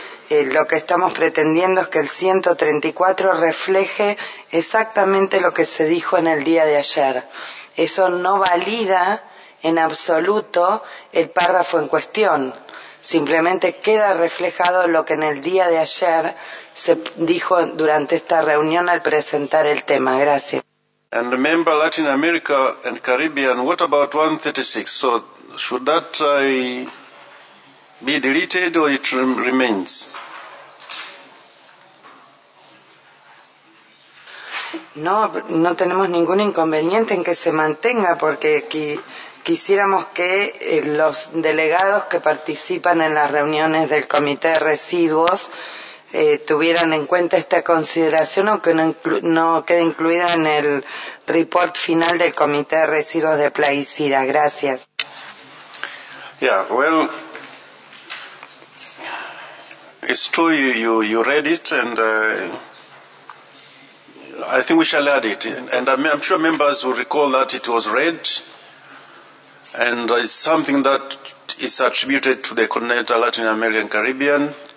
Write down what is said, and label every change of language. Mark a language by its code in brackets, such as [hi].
[es] Lo que estamos pretendiendo es que el 134 refleje exactamente lo que se dijo en el día de ayer. Eso no valida en absoluto el párrafo en cuestión. Simplemente queda reflejado lo que en el día de ayer se dijo durante esta reunión al presentar el tema. Gracias. [en] And remember Latin America and Caribbean, what about 136? So should that be deleted or it remains? [es] No, no tenemos ningún inconveniente en que se mantenga porque quisiéramos que los delegados que participan en las reuniones del Comité de Residuos tuvieran en cuenta esta consideración, aunque no quede incluida en el report final del Comité de Residuos de Plaguicidas. Gracias. [en] Yeah, well, it's true you read it, and I think we shall add it. And I'm sure members will recall that it was read, and it's something that is attributed to the coordinator Latin America and Caribbean.